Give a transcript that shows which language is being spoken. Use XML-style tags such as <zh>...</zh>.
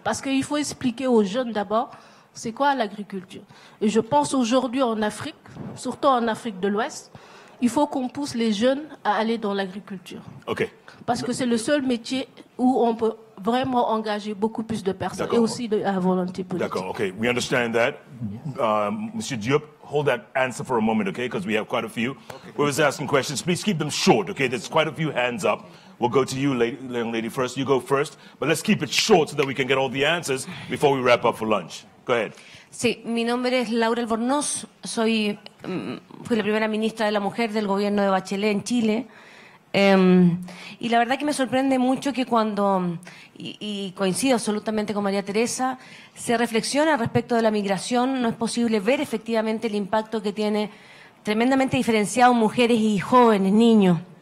<fr>Parce qu'il faut expliquer aux jeunes d'abord, c'est quoi l'agriculture. Et je pense aujourd'hui en Afrique, surtout en Afrique de l'Ouest, il faut qu'on pousse les jeunes à aller dans l'agriculture. OK. Parce que c'est le seul métier où on peut vraiment engager beaucoup plus de personnes. D'accord. Et aussi la volonté politique.</fr> <en>D'accord, okay, we understand that. Monsieur Diop, hold that answer for a moment, okay, because we have quite a few. Okay. We was asking questions, please keep them short, okay? There's quite a few hands up. We'll go to you, young lady, first. You go first, but let's keep it short so that we can get all the answers before we wrap up for lunch. Go ahead.</en> <es>Sí, mi nombre es Laura Albornoz. Fui la primera ministra de la mujer del gobierno de Bachelet en Chile. Y la verdad que me sorprende mucho que cuando, y coincido absolutamente con María Teresa, se reflexiona respecto de la migración, no es posible ver efectivamente el impacto que tiene tremendamente diferenciado mujeres y jóvenes, niños.</es>